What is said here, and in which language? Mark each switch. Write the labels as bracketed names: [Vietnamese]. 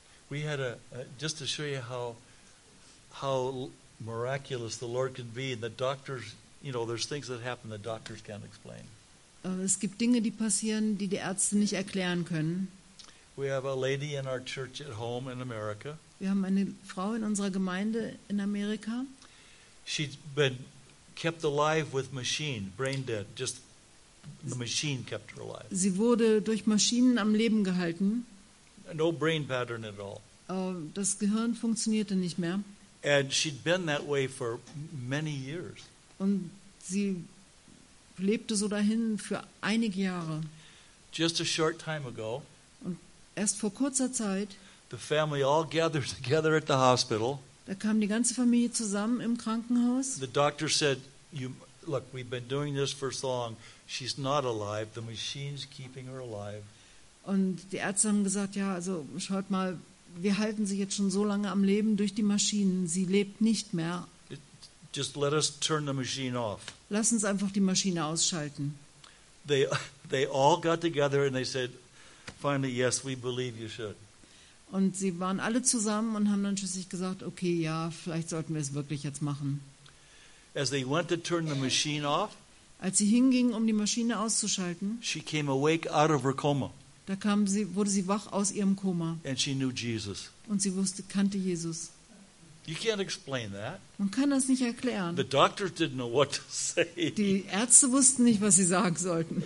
[English] We had just to show you how miraculous the Lord can be, and the doctors, you know, there's things that happen that doctors can't explain. [German] Es gibt Dinge, die passieren, die die Ärzte nicht erklären können. [English] We have a lady in our church at home in America. [German] Wir haben eine Frau in unserer Gemeinde in Amerika. [English] She's been kept alive with machine, brain dead, just the machine kept her alive. [German] Sie wurde durch Maschinen am Leben gehalten. [English] No brain pattern at all. [German] Das Gehirn funktionierte nicht mehr. [English] And she'd been that way for many years. [German] Und sie lebte so dahin für einige Jahre. [English] Just a short time ago. [German] Und erst vor kurzer Zeit. [English] The family all gathered together at the hospital. [German] Da kam die ganze Familie zusammen im Krankenhaus. [English] The doctor said, "You look, we've been doing this for so long. She's not alive. The machine's keeping her alive." [German] Und die Ärzte haben gesagt, ja, also schaut mal. Wir halten sie jetzt schon so lange am Leben durch die Maschinen. Sie lebt nicht mehr. [English] Just let us turn the machine off. [German] Lass uns einfach die Maschine ausschalten. [English] They all got together and they said, finally, yes, we believe you should. [German] Und sie waren alle zusammen und haben dann schließlich gesagt, okay, ja, vielleicht sollten wir es wirklich jetzt machen. [English] As they went to turn the machine off, [German] als sie hingingen, um die Maschine auszuschalten, [English] she came awake out of her coma. [German] Da kam sie, wurde sie wach aus ihrem Koma. [English] And she knew Jesus. [German] Und sie wusste, kannte Jesus. [English] You can't explain that. [German] Man kann das nicht erklären. [English] The doctor didn't know what to say. [German] Die Ärzte wussten nicht, was sie sagen sollten.